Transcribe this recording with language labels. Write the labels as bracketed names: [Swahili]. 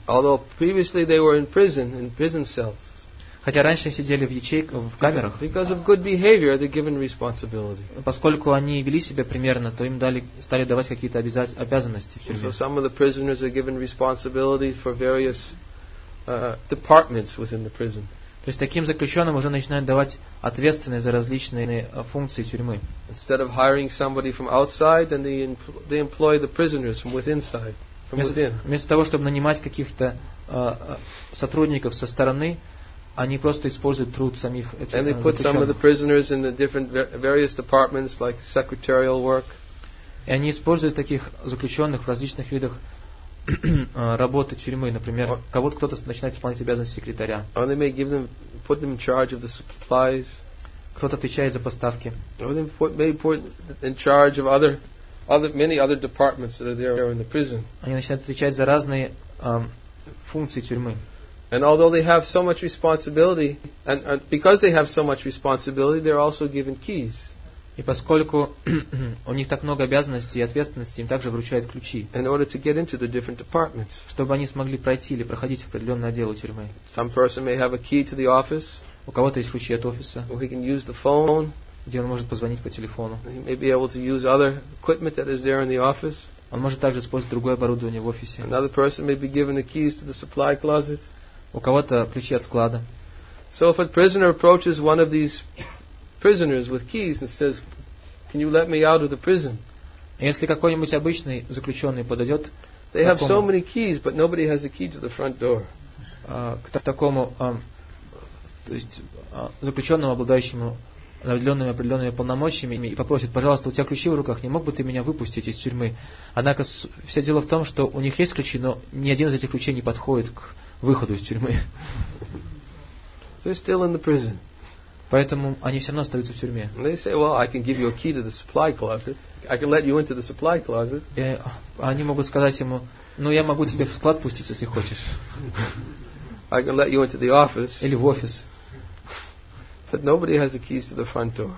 [English] Although previously they were in prison cells. [Russian] Хотя раньше они сидели в ячейках, в камерах. [English] Because of good behavior, they're given responsibility. [Russian] Поскольку они вели себя примерно, то им стали давать какие-то обязанности в тюрьме. [English] So some of the prisoners are given responsibility for various departments within the prison. [Russian] То есть таким заключенным уже начинают давать ответственность за различные функции тюрьмы. [English] Instead of hiring somebody from outside, then they employ the prisoners from inside, from within. [Russian] Вместо того, чтобы нанимать каких-то сотрудников со стороны, они просто используют труд самих заключенных. [English] And they put some of the prisoners in the different various departments, like secretarial work. [Russian] И они используют таких заключенных в различных видах работы тюрьмы, например, кого-то кто-то начинает исполнять обязанности секретаря. [English] Or they may give them, put them in charge of the supplies. [Russian] Кто-то отвечает за поставки. [English] Or they may put in charge of many other departments that are there in the prison. [Russian] Они начинают отвечать за разные функции тюрьмы. [English] And although they have so much responsibility, and because they have so much responsibility, they're also given keys. [Russian] И поскольку у них так много обязанностей и ответственности, им также вручают ключи, [English] in order to get into the different departments. [Russian] Чтобы они смогли пройти или проходить определенные отделы тюрьмы. [English] Some person may have a key to the office. [Russian] У кого-то есть ключи от офиса. [English] Or he can use the phone. [Russian] Где он может позвонить по телефону. [English] He may be able to use other equipment that is there in the office. [Russian] Он может также использовать другое оборудование в офисе. [English] Another person may be given the keys to the supply closet. [Russian] У кого-то ключи от склада. [English] So if a prisoner approaches one of these prisoners with keys and says, "Can you let me out of the prison?" [Russian] Если какой-нибудь обычный заключенный подойдет, [English] they have so many keys, but nobody has a key to the front door. [Russian] К такому, то есть заключенному, обладающему определенными полномочиями, и попросит: пожалуйста, у тебя ключи в руках, не мог бы ты меня выпустить из тюрьмы? Однако все дело в том, что у них есть ключи, но ни один из этих ключей не подходит к выходу из тюрьмы. [English] They're still in the prison. [Russian] Поэтому они все равно остаются в тюрьме. [English] They say, well, I can give you a key to the supply closet. I can let you into the supply closet. [Russian] И они могут сказать ему: ну, я могу тебе в склад пустить, если хочешь. [English] I can let you into the office. [Russian] Или в офис. [English] But nobody has the keys to the front door.